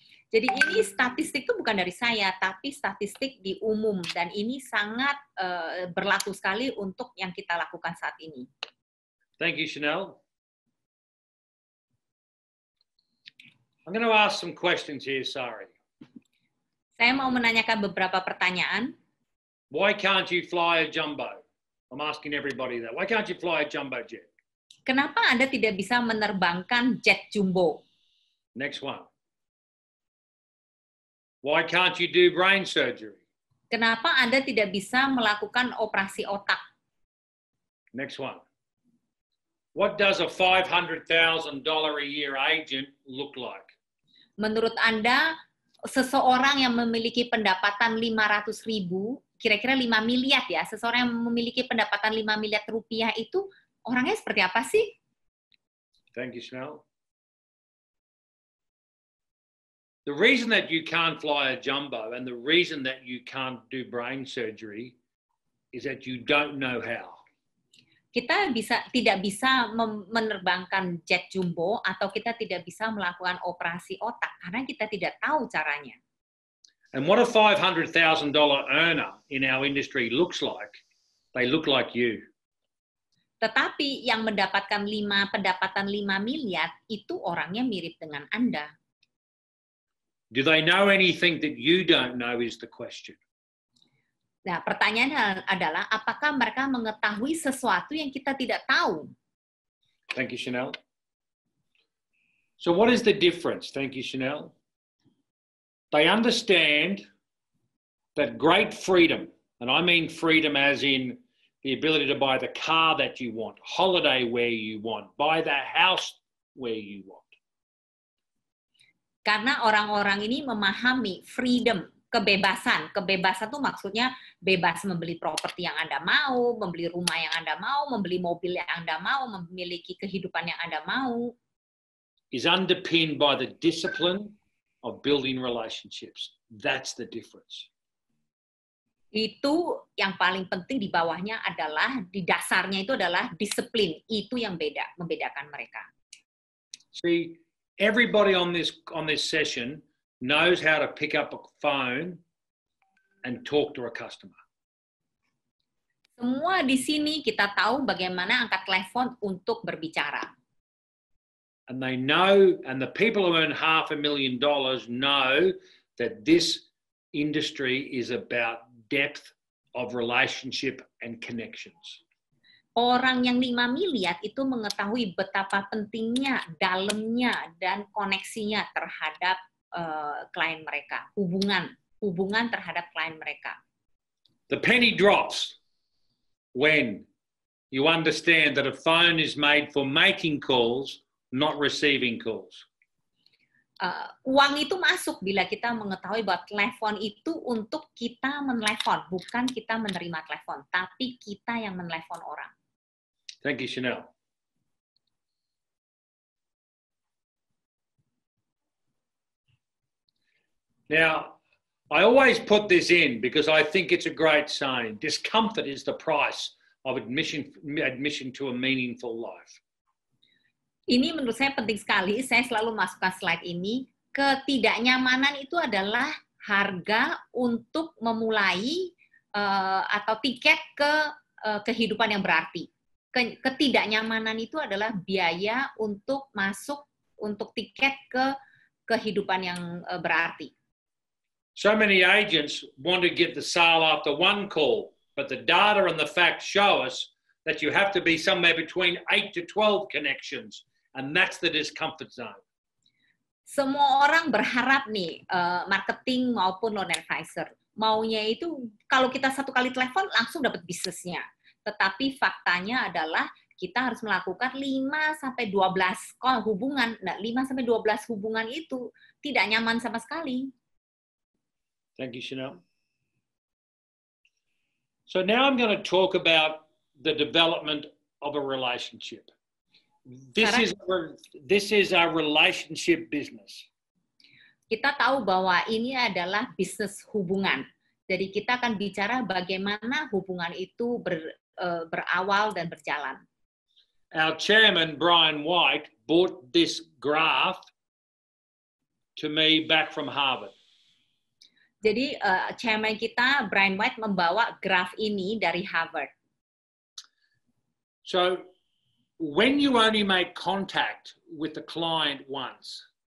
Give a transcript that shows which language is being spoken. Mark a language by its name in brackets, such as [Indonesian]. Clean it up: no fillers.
[Indonesian] Jadi ini statistik itu bukan dari saya, tapi statistik di umum dan ini sangat berlaku sekali untuk yang kita lakukan saat ini. [English] Thank you, Chanel. I'm going to ask some questions here, sorry. [Indonesian] Saya mau menanyakan beberapa pertanyaan. [English] Why can't you fly a jumbo? I'm asking everybody that. Why can't you fly a jumbo jet? [Indonesian] Kenapa Anda tidak bisa menerbangkan jet jumbo? [English] Next one. Why can't you do brain surgery? [Indonesian] Kenapa Anda tidak bisa melakukan operasi otak? [English] Next one. What does a $500,000 a year agent look like? [Indonesian] Menurut Anda, seseorang yang memiliki pendapatan 500.000, kira-kira 5 miliar ya, seseorang yang memiliki pendapatan 5 miliar rupiah itu orangnya seperti apa sih? [English] Thank you, Chanel. The reason that you can't fly a jumbo and the reason that you can't do brain surgery is that you don't know how. [Indonesian] Kita tidak bisa menerbangkan jet jumbo atau kita tidak bisa melakukan operasi otak karena kita tidak tahu caranya. [English] And what a $500,000 earner in our industry looks like, they look like you. [Indonesian] Tetapi yang mendapatkan pendapatan 5 miliar itu orangnya mirip dengan Anda. [English] Do they know anything that you don't know is the question. [Indonesian] Nah, pertanyaannya adalah apakah mereka mengetahui sesuatu yang kita tidak tahu? [English] Thank you, Chanel. So what is the difference? Thank you, Chanel. They understand that great freedom, and I mean freedom as in the ability to buy the car that you want, holiday where you want, buy the house where you want. [Indonesian] Karena orang-orang ini memahami freedom, kebebasan. Kebebasan itu maksudnya bebas membeli properti yang Anda mau, membeli rumah yang Anda mau, membeli mobil yang Anda mau, memiliki kehidupan yang Anda mau. [English] Is underpinned by the discipline of building relationships. That's the difference. [Indonesian] Itu yang paling penting di bawahnya adalah, di dasarnya itu adalah disiplin. Itu yang beda, membedakan mereka. [English] See, everybody on this session knows how to pick up a phone and talk to a customer. [Indonesian] Semua di sini kita tahu bagaimana angkat telepon untuk berbicara. [English] And they know, and the people who earn $500,000 know that this industry is about depth of relationship and connections. [Indonesian] Orang yang 5 miliar itu mengetahui betapa pentingnya, dalamnya, dan koneksinya terhadap klien mereka, hubungan terhadap klien mereka. [English] The penny drops when you understand that a phone is made for making calls, not receiving calls. [Indonesian] Uang itu masuk bila kita mengetahui bahwa telepon itu untuk kita menelepon, bukan kita menerima telepon, tapi kita yang menelepon orang. [English] Thank you, Chanel. Now, I always put this in because I think it's a great saying. Discomfort is the price of admission to a meaningful life. [Indonesian] Ini menurut saya penting sekali. Saya selalu masukkan slide ini. Ketidaknyamanan itu adalah harga untuk memulai atau tiket ke kehidupan yang berarti. Ketidaknyamanan itu adalah biaya untuk masuk untuk tiket ke kehidupan yang berarti. [English] So many agents want to get the sale after one call, but the data and the facts show us that you have to be somewhere between 8 to 12 connections, and that's the discomfort zone. [Indonesian] Semua orang berharap nih, marketing maupun loan advisor, maunya itu kalau kita satu kali telepon langsung dapat bisnisnya. Tetapi faktanya adalah kita harus melakukan 5-12 call hubungan. Nah, 5-12 hubungan itu tidak nyaman sama sekali. [English] Thank you, Chanel. So now I'm going to talk about the development of a relationship. This is a relationship business. [Indonesian] Kita tahu bahwa ini adalah bisnis hubungan. Jadi kita akan bicara bagaimana hubungan itu berawal dan berjalan. [English] Our chairman Brian White bought this graph to me back from Harvard. [Indonesian] Jadi chairman kita Brian White membawa graf ini dari Harvard. [English] So when you only make contact with the client once.